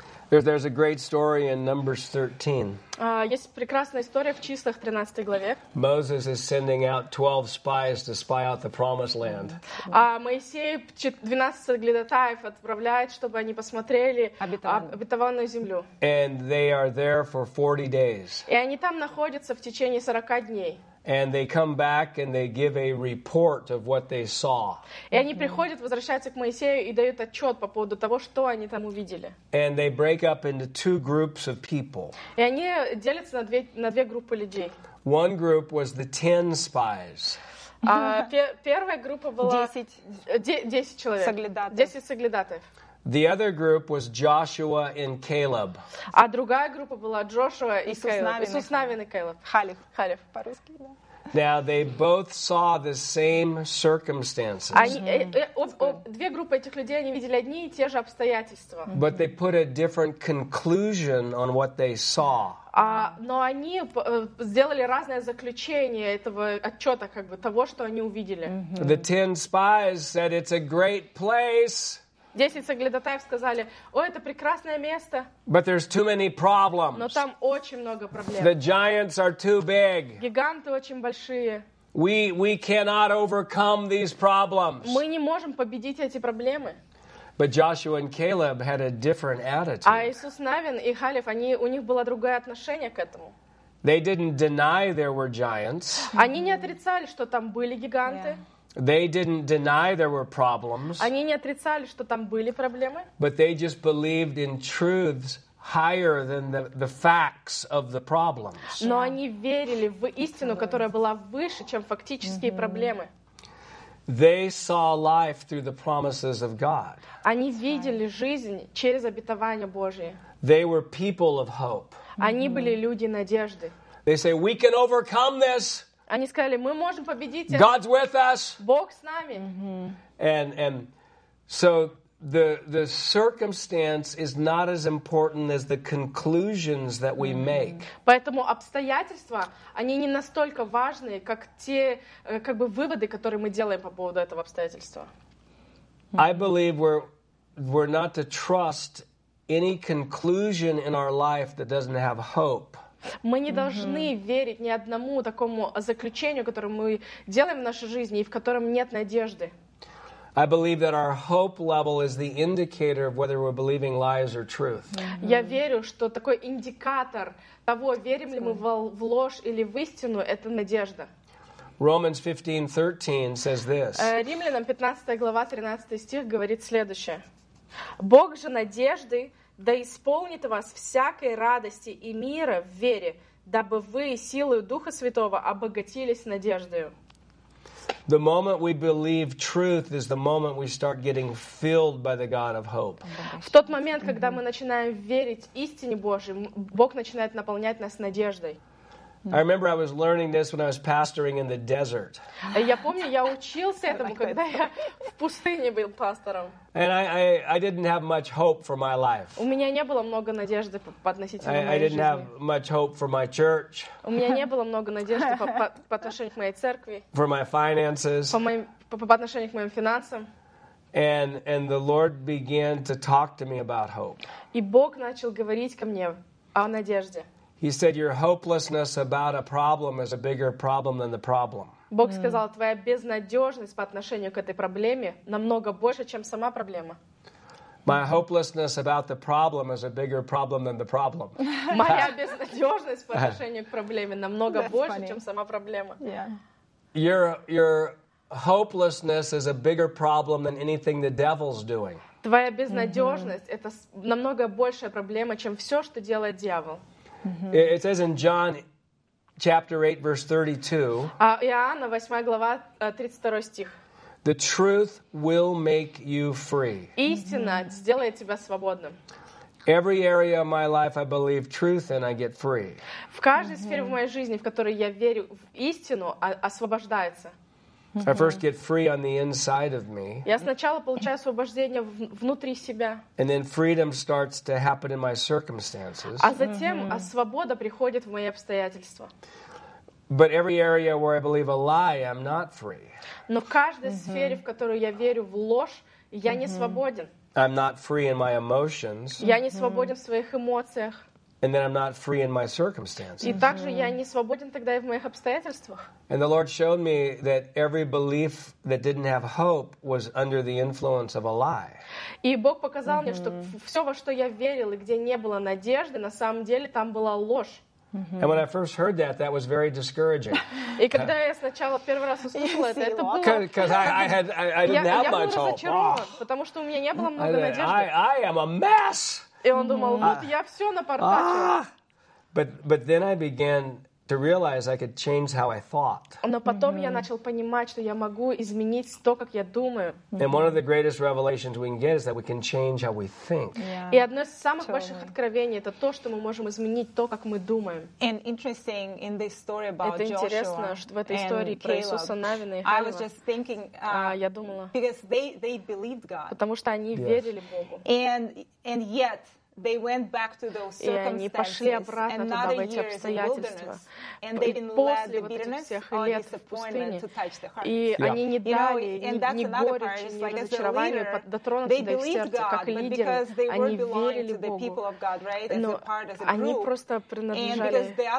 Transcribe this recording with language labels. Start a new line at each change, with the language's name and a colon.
English: There's a great story in Numbers 13.
Russian: Есть прекрасная история в числах 13 главе.
English: Moses is sending out 12 spies to spy out the promised land.
Russian: Моисей 12 глядатаев отправляет, чтобы они посмотрели обетованную землю.
English: And they are there for 40 days.
Russian: И они там находятся в течение 40 дней.
English: And they come back and they give a report of what they saw.
Russian: И они приходят, возвращаются к Моисею и дают отчет по поводу того, что они там увидели.
English: And they break up into two groups of people.
Russian: И они делятся на две группы людей.
English: One group was the 10 spies.
Russian: Первая группа была 10 человек. 10 соглядатаев.
English: The other group was Joshua and Caleb.
Russian: А другая группа была Джошуа и Кейлеб. Иисус Навин и Кейлеб. Халев. Халев по-русски, да.
English: Now they both saw the same circumstances.
Russian: Две группы этих людей они видели одни и те же обстоятельства.
English: But they put a different conclusion on what they saw.
Russian: Но они сделали разное заключение этого отчета, как бы того, что они увидели.
English: The 10 spies said it's a great place.
Russian: 10 соглядатаев сказали: «О, это прекрасное место».
English: But there's too many problems.
Russian: Но там очень много проблем.
English: The giants are too big.
Russian: Гиганты очень большие.
English: We cannot overcome these problems.
Russian: Мы не можем победить эти проблемы.
English: But Joshua and Caleb had a different attitude.
Russian: А Иисус Навин и Халев, они у них было другое отношение к этому.
English: They didn't deny there were giants.
Russian: Они не отрицали, что там были гиганты.
English: Yeah. They didn't deny there were problems.
Russian: Они не отрицали, что там были проблемы.
English: But they just believed in truths higher than the facts of the problems.
Russian: Но они верили в истину, которая была выше, чем фактические проблемы.
English: They saw life through the promises of God.
Russian: Они видели жизнь через обетования Божьи.
English: They were people of hope.
Russian: Они были люди надежды.
English: They say, "We can overcome this."
Russian: Они сказали, мы можем победить.
English: God's with us.
Russian: Бог с нами.
English: And so the circumstance is not as important as the conclusions that we make.
Russian: Поэтому обстоятельства, они не настолько важны, как те как бы выводы, которые мы делаем по поводу этого обстоятельства.
English: I believe we're not to trust any conclusion in our life that doesn't have hope.
Russian: Мы не должны верить ни одному такому заключению, которое мы делаем в нашей жизни и в котором нет надежды.
English: I believe that our hope level is the indicator of whether we're believing lies or truth.
Russian: Я верю, что такой индикатор того, верим ли мы в ложь или в истину, это надежда.
English: Romans 15:13 says this.
Russian: Римлянам 15 глава 13 стих говорит следующее. Бог же надежды да исполнит вас всякой радости и мира в вере, дабы вы силою Духа Святого обогатились надеждою.
English: The moment we believe truth is the moment we start getting filled by the God of hope.
Russian: В тот момент, когда мы начинаем верить истине Божьей, Бог начинает наполнять нас надеждой.
English: I remember I was learning this when I was pastoring in the desert.
Russian: Я помню, я учился этому, когда я в пустыне был пастором.
English: And I didn't have much hope for my life.
Russian: У меня не было много надежды относительно моей жизни.
English: I didn't have much hope for my church.
Russian: У меня не было много надежды по отношению к моей церкви.
English: For my finances.
Russian: По отношению к моим финансам.
English: And the Lord began to talk to me about hope.
Russian: И Бог начал говорить ко мне о надежде.
English: He said, "Your hopelessness about a problem is a bigger problem than the problem."
Russian: Бог сказал, твоя безнадежность по отношению к этой проблеме намного больше, чем сама проблема.
English: My hopelessness about the problem is a bigger problem than the problem.
Russian: Моя безнадежность по отношению к проблеме намного больше, чем сама проблема.
English: Your hopelessness is a bigger problem than anything the devil's doing.
Russian: Твоя безнадежность это намного большая проблема, чем все, что делает дьявол.
English: It says in John chapter 8, verse 32,
Russian: Иоанна, 8 глава, 32 стих,
English: the truth will make you free.
Russian: Истина сделает тебя свободным.
English: Every area of my life I believe truth and I get free.
Russian: В каждой сфере в моей жизни, в которой я верю в истину, освобождается.
English: I first get free on the inside of me.
Russian: Я сначала получаю освобождение внутри себя.
English: And then freedom starts to happen in my circumstances.
Russian: А затем свобода приходит в мои обстоятельства.
English: But every area where I believe a lie, I'm not free.
Russian: Но в каждой сфере, в которую я верю в ложь, я не свободен.
English: I'm not free in my emotions.
Russian: Я не свободен в своих эмоциях.
English: And then I'm not free in my circumstances.
Russian: И также я не свободен тогда и в моих обстоятельствах.
English: And the Lord showed me that every belief that didn't have hope was under the influence of a lie.
Russian: И Бог показал мне, что все, во что я верил, и где не было надежды, на самом деле там была ложь.
English: And when I first heard that, that was very discouraging.
Russian: И когда я сначала первый раз услышала это было...
English: Because I didn't have much hope.
Russian: Я был разочарован, потому что у меня не было много надежды.
English: I am a mess!
Russian: И он думал, вот я все напортачил.
English: But then I began to realize I could change how I thought.
Russian: Но потом я начал понимать, что я могу изменить то, как я думаю.
English: And one of the greatest revelations we can get is that we can change how we think.
Russian: И одно из самых больших откровений это то, что мы можем изменить то, как мы думаем.
English: And interesting in this story about Joshua.
Russian: Это интересно, что в этой истории про Иисуса Навина и Халева.
English: I was just thinking,
Russian: я думала.
English: Because they believed God.
Russian: Потому что они верили Богу.
English: And yet they went back to those circumstances, another year in the wilderness, and they didn't let the bitterness or disappointment to touch the heart.
Russian: Они не дали, не горечь, не разочарование дотронуться до их сердца, как лидеры. Они верили Богу. Они просто принадлежали.